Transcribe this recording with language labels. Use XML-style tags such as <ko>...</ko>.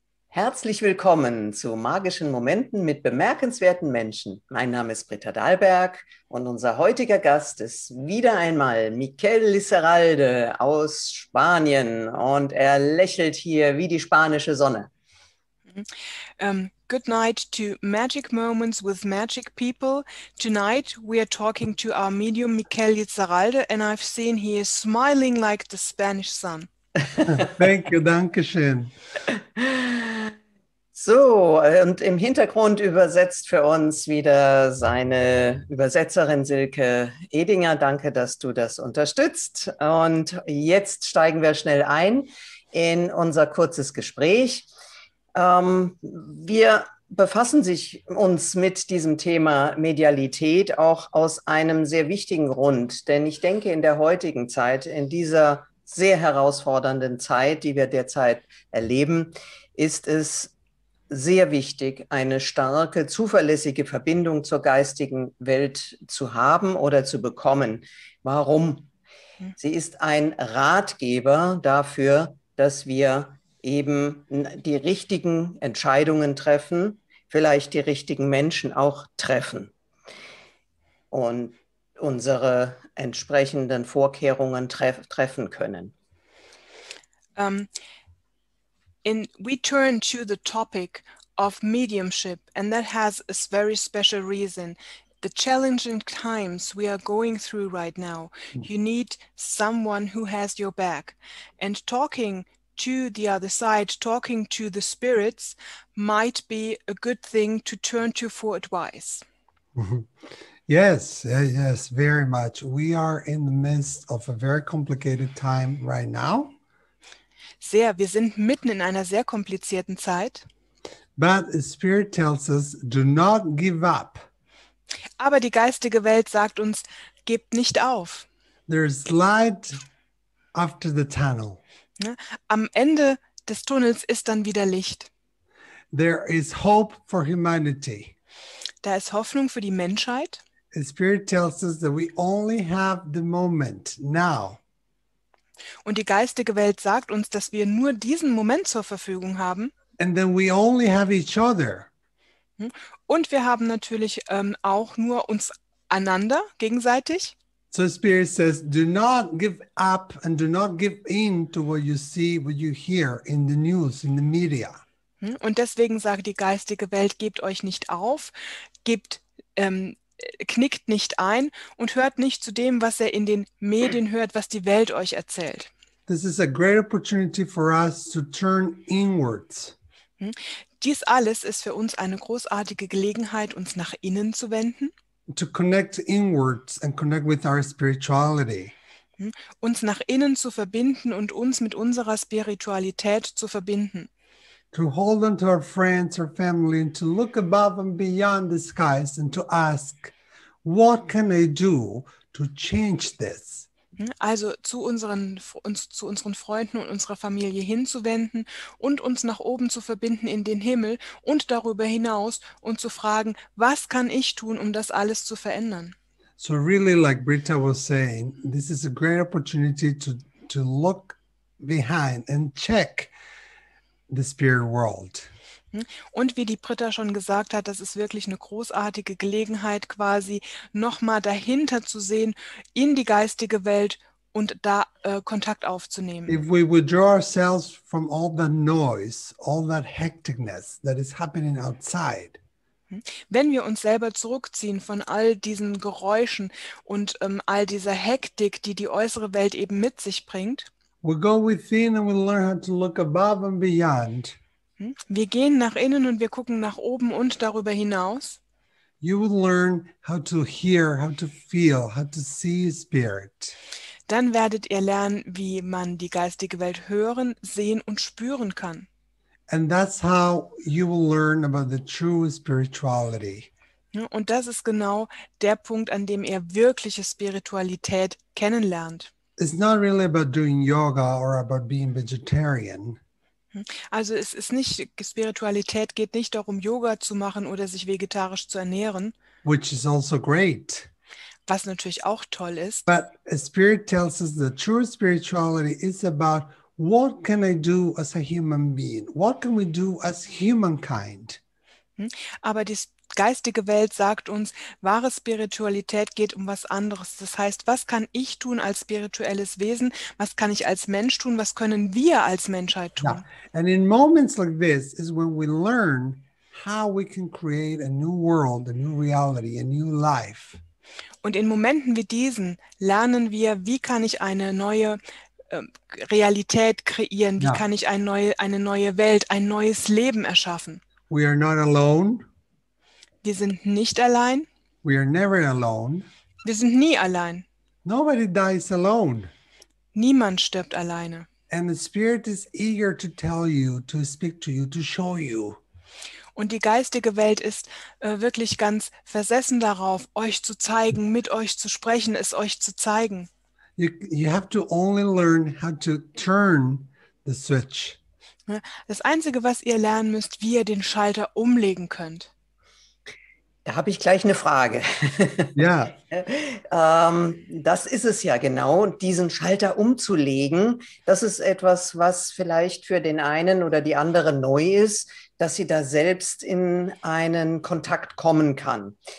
<de>Herzlich willkommen zu magischen Momenten mit bemerkenswerten Menschen. Mein Name ist Britta Dahlberg und unser heutiger Gast ist wieder einmal Mikel Lizaralde aus Spanien und er lächelt hier wie die spanische Sonne.</de> <en>Good night to Magic Moments with Magic People. Tonight we are talking to our medium Mikel Lizaralde and I've seen he is smiling like the Spanish sun. Thank you,</en> <de>danke schön. So, und im Hintergrund übersetzt für uns wieder seine Übersetzerin Silke Edinger. Danke, dass du das unterstützt. Und jetzt steigen wir schnell ein in unser kurzes Gespräch. Wir befassen uns mit diesem Thema Medialität auch aus einem sehr wichtigen Grund. Denn ich denke, in der heutigen Zeit, in dieser sehr herausfordernden Zeit, die wir derzeit erleben, ist es sehr wichtig, eine starke, zuverlässige Verbindung zur geistigen Welt zu haben oder zu bekommen. Warum? Sie ist ein Ratgeber dafür, dass wir eben die richtigen Entscheidungen treffen, vielleicht die richtigen Menschen auch treffen und unsere entsprechenden Vorkehrungen treffen können.</de> <en>And we turn to the topic of mediumship, and that has a very special reason. The challenging times we are going through right now, you need someone who has your back. And talking to the other side, talking to the spirits, might be a good thing to turn to for advice. Yes, yes, very much. We are in the midst of a very complicated time right now.</en> <de>Sehr, wir sind mitten in einer sehr komplizierten Zeit.</de> <en>But the spirit tells us, do not give up.</en> <de>Aber die geistige Welt sagt uns, gebt nicht auf.</de> <en>There is light after the tunnel.</en> <de>Am Ende des Tunnels ist dann wieder Licht.</de> <en>There is hope for humanity.</en> <de>Da ist Hoffnung für die Menschheit.</de> <en>The spirit tells us that we only have the moment now.</en> <de>Und die geistige Welt sagt uns, dass wir nur diesen Moment zur Verfügung haben.</de> <en>And then we only have each other.</en> <de>Und wir haben natürlich auch nur uns einander gegenseitig.</de> <en>So the Spirit says, do not give up and do not give in to what you see, what you hear in the news, in the media.</en> <de>Und deswegen sagt die geistige Welt, gebt euch nicht auf, gebt knickt nicht ein und hört nicht zu dem, was er in den Medien hört, was die Welt euch erzählt.</de> <en>This is a great opportunity for us to turn inwards.</en> <de>Dies alles ist für uns eine großartige Gelegenheit, uns nach innen zu wenden.</de> <en>To connect inwards and connect with our spirituality.</en> <de>Uns nach innen zu verbinden und uns mit unserer Spiritualität zu verbinden.</de> <en>To hold on to our friends, our family, and to look above and beyond the skies and to ask, what can I do to change this?</en> <de>Also zu unseren Freunden und unserer Familie hinzuwenden und uns nach oben zu verbinden in den Himmel und darüber hinaus und zu fragen, was kann ich tun, um das alles zu verändern?</de> <en>So really, like Britta was saying, this is a great opportunity to look behind and check the spirit world.</en> <de>Und wie die Britta schon gesagt hat, das ist wirklich eine großartige Gelegenheit, quasi nochmal dahinter zu sehen, in die geistige Welt und da Kontakt aufzunehmen.</de> <en>If we withdraw ourselves from all that noise, all that hecticness that is happening outside.</en> <de>Wenn wir uns selber zurückziehen von all diesen Geräuschen und all dieser Hektik, die die äußere Welt eben mit sich bringt.</de> <en>We go within and we learn how to look above and beyond.</en> <de>Wir gehen nach innen und wir gucken nach oben und darüber hinaus.</de> <en>You will learn how to hear, how to feel, how to see spirit.</en> <de>Dann werdet ihr lernen, wie man die geistige Welt hören, sehen und spüren kann.</de> <en>And that's how you will learn about the true spirituality.</en> <de>Und das ist genau der Punkt, an dem ihr wirkliche Spiritualität kennenlernt.</de> <en>It's not really about doing yoga or about being vegetarian.</en> <de>Also es ist nicht, Spiritualität geht nicht darum, Yoga zu machen oder sich vegetarisch zu ernähren.</de> <en>Which is also great.</en> <de>Was natürlich auch toll ist.</de> <en>But a spirit tells us the true spirituality is about What can I do as a human being? What can we do as humankind?</en> <de>Aber die geistige Welt sagt uns, wahre Spiritualität geht um was anderes. Das heißt, was kann ich tun als spirituelles Wesen? Was kann ich als Mensch tun? Was können wir als Menschheit tun? Yeah.</de> <en>And in moments like this is when we learn how we can create a new world, a new reality, a new life.</en> <de>Und in Momenten wie diesen lernen wir, wie kann ich eine neue Realität kreieren? Wie kann ich eine neue Welt, ein neues Leben erschaffen?</de> <en>We are not alone.</en> <de>Wir sind nicht allein.</de> <en>We are never alone.</en> <de>Wir sind nie allein.</de> <en>Nobody dies alone.</en> <de>Niemand stirbt alleine.</de> <en>And the spirit is eager to tell you, to speak to you, to show you.</en> <de>Und die geistige Welt ist wirklich ganz versessen darauf, euch zu zeigen, mit euch zu sprechen, es euch zu zeigen.</de> <en>You have to only learn how to turn the switch.</en> <de>Das Einzige, was ihr lernen müsst, wie ihr den Schalter umlegen könnt. Da habe ich gleich eine Frage. Ja. Das ist es ja genau, diesen Schalter umzulegen. Das ist etwas, was vielleicht für den einen oder die andere neu ist, dass sie da selbst in einen Kontakt kommen kann.</de>